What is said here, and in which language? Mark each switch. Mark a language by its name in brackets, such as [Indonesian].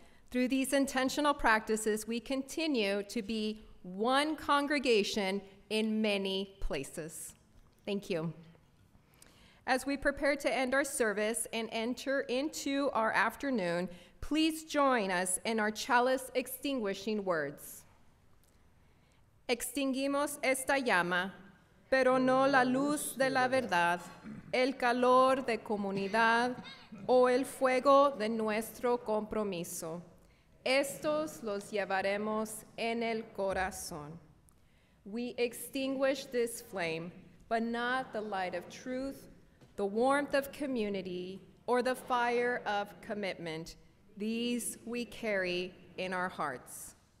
[English] Through these intentional practices, we continue to be one congregation in many places. Thank you. As we prepare to end our service and enter into our afternoon, please join us in our chalice extinguishing words. [Spanish] Extinguimos esta llama, pero no la luz de la verdad, el calor de comunidad o el fuego de nuestro compromiso. Estos los llevaremos en el corazón. [English] We extinguish this flame, but not the light of truth, the warmth of community, or the fire of commitment. These we carry in our hearts.